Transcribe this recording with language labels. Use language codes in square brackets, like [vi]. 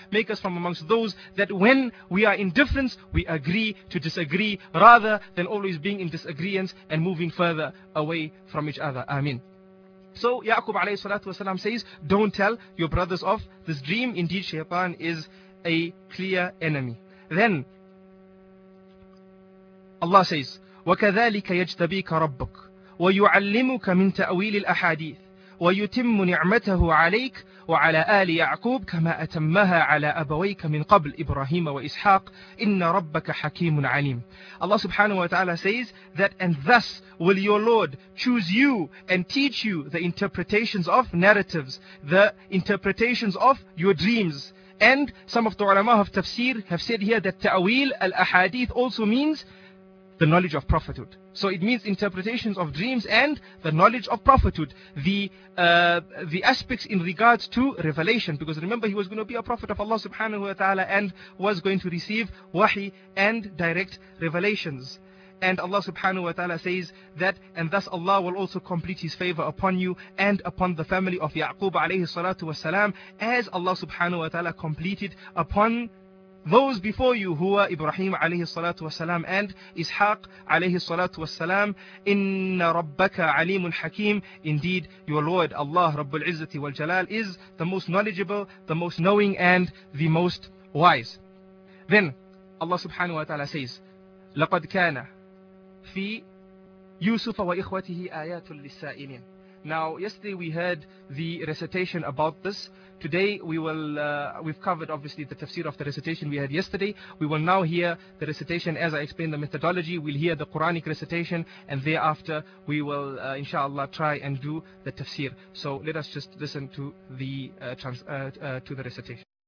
[en] Make us from amongst those that when we are in difference, we agree to disagree rather than always being in disagreement and moving further away from each other. Ameen. So Ya'qub alayhi salatu wasalam says, don't tell your brothers of this dream. Indeed, shaitan is a clear enemy. [ar] Then Allah says, وَكَذَلِكَ يَجْتَبِيكَ رَبُّكَ وَيُعَلِّمُكَ مِنْ تَأْوِيلِ الْأَحَادِيثِ وَيُتِمُّ نِعْمَتَهُ عَلَيْكَ وَعَلَى آلِ يَعْقُوبَ كَمَا أَتَمَّهَا عَلَى أَبَوَيْكَ مِنْ قَبْلِ إِبْرَاهِيمَ وَإِسْحَاقَ إِنَّ رَبَّكَ حَكِيمٌ عَلِيمٌ. [en] Allah subhanahu wa ta'ala says that, and thus will your Lord choose you and teach you the interpretations of narratives, the interpretations of your dreams. And some of the ulama of tafsir have said here that ta'wil al-ahadith also means the knowledge of prophethood. So it means interpretations of dreams and the knowledge of prophethood, the aspects in regards to revelation. Because remember, he was going to be a prophet of Allah subhanahu wa ta'ala and was going to receive wahi and direct revelations. And Allah subhanahu wa ta'ala says that, and thus Allah will also complete His favor upon you and upon the family of Ya'qub alayhi salatu wasalam, as Allah subhanahu wa ta'ala completed upon those before you, who are Ibrahim alayhi salatu wasalam and Ishaq alayhi salatu wasalam. Inna rabbaka alimun hakim. Indeed, your Lord Allah Rabbul Izzati wal Jalal is the most knowledgeable, the most knowing, and the most wise. [ar] Then Allah subhanahu wa ta'ala says, لقد كان في يوسف وإخوته آيات للسائلين. [en] Now, yesterday we heard the recitation about this. Today we will we've covered obviously the tafsir of the recitation we had yesterday. We will now hear the recitation as I explained the methodology. We'll hear the Quranic recitation, and thereafter we will inshallah try and do the tafsir. So let us just listen to the recitation.